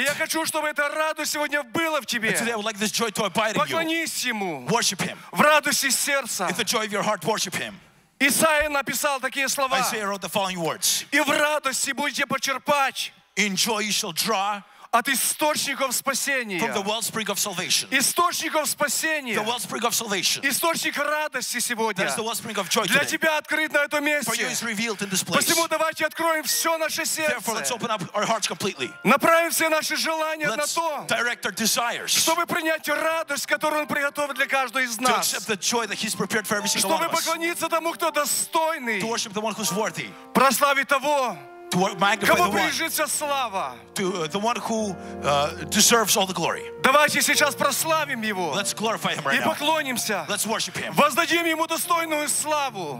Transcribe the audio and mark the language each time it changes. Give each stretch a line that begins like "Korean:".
Russian: И я хочу, чтобы эта радость сегодня была в тебе.
English: And today I would like this joy to abide in you.
Russian: Поклонись Ему.
English: Worship Him.
Russian: В радости сердца.
English: With the joy of your heart, worship Him.
Russian: Исаия написал такие слова.
English: Isaiah wrote the following words.
Russian: И в радости будете почерпать.
English: In joy you shall draw.
Russian: От источников спасения.
English: From the wellspring of salvation.
Russian: Источников спасения.
English: The wellspring of salvation.
Russian: Источник радости сегодня.
English: That is the wellspring of joy today.
Russian: Для тебя открыт на этом месте.
English: For you is revealed in this place.
Russian: Посему давайте откроем все наше сердце.
English: Therefore, let's open up our hearts completely.
Russian: Направим все наши желания на то.
English: Let's direct our desires.
Russian: Чтобы принять радость, которую Он приготовил для каждого из нас.
English: To accept the joy that He's prepared for every single one of us.
Russian: Чтобы поклониться тому, кто достойный.
English: To worship the one who's worthy.
Russian: Прославить того.
English: To magnify the one. To the one who deserves all the glory.
Russian: Давайте сейчас прославим его.
English: Let's glorify him right now.
Russian: И поклонимся.
English: Let's worship him.
Russian: Воздадим ему достойную славу.